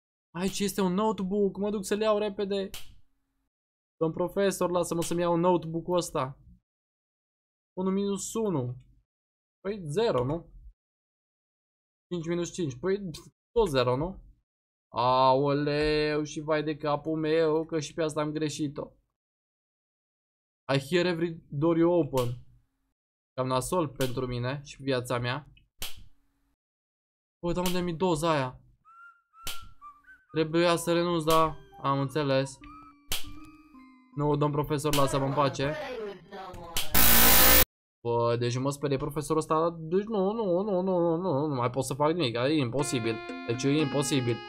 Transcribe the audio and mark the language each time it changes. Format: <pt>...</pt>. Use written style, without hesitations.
<ro>Aici este un notebook. Mă duc să-l iau repede. Domn profesor, lasă-mă să-mi iau notebook-ul ăsta. 1 minus 1. Păi 0, nu? 5 minus 5. Păi tot 0, nu? Aoleu, și vai de capul meu, că și pe asta am greșit-o.</ro> <en>I hear every door you open.</en> <ro>Cam nasol pentru mine și viața mea. Păi, dar unde mi-e doza aia? Trebuia să renunț, da? Am înțeles. Nu, domn profesor, lasă-mă în pace. Bă, deci mă sperie profesorul ăsta, deci nu mai pot să fac nimic, e imposibil. Deci e imposibil.</ro>